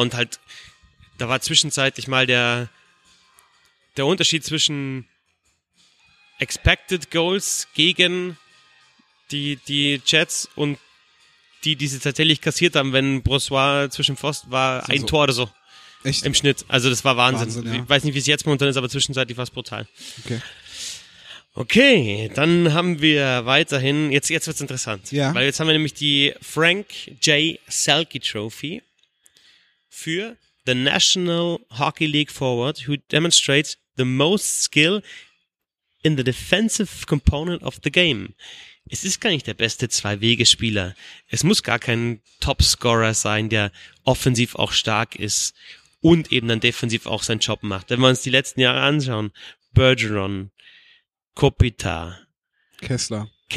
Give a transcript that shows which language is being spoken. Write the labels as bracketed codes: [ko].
[de] Und halt, da war zwischenzeitlich mal der Unterschied zwischen Expected Goals gegen die Jets und die sie tatsächlich kassiert haben, wenn Brossoit zwischen Pfosten war, so ein Tor oder so. Echt? Im Schnitt. Also das war Wahnsinn, ja. Ich weiß nicht, wie es jetzt momentan ist, aber zwischenzeitlich war es brutal. Okay, dann haben wir weiterhin, jetzt wird's interessant. Ja. Weil jetzt haben wir nämlich die Frank J. [en] Selke Trophy für the National Hockey League Forward, who demonstrates the most skill in the defensive component of the game. [de] Es ist gar nicht der beste Zwei-Wege-Spieler. Es muss gar kein Topscorer sein, der offensiv auch stark ist und eben dann defensiv auch seinen Job macht. Wenn wir uns die letzten Jahre anschauen, Bergeron, Kopitar, Kessler,